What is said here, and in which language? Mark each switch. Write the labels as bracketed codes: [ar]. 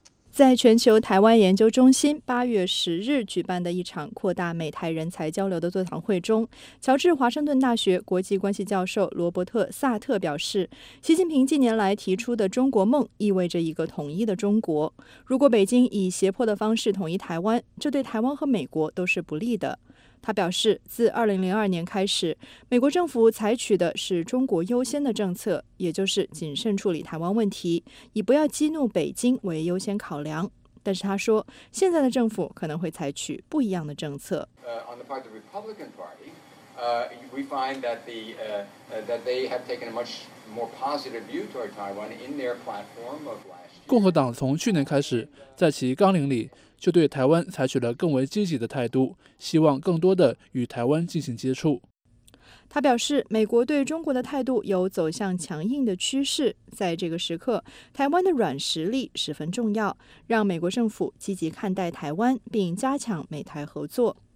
[zh] 在全球台湾研究中心8月10日举办的一场扩大美台人才交流的座谈会中，乔治华盛顿大学国际关系教授罗伯特·萨特表示，习近平近年来提出的中国梦意味着一个统一的中国，如果北京以胁迫的方式统一台湾，这对台湾和美国都是不利的。他表示，自2002年开始，美国政府采取的是中国优先的政策，也就是谨慎处理台湾问题，以不要激怒北京为优先考量。但是他说，现在的政府可能会采取不一样的政策。 [en] On the part of the Republican Party, we find that the that they have taken a much more positive view toward Taiwan in their platform of last year. [zh] 共和党从去年开始，在其纲领里就对台湾采取了更为积极的态度，希望更多的与台湾进行接触。他表示，美国对中国的态度有走向强硬的趋势，在这个时刻，台湾的软实力十分重要，让美国政府积极看待台湾，并加强美台合作。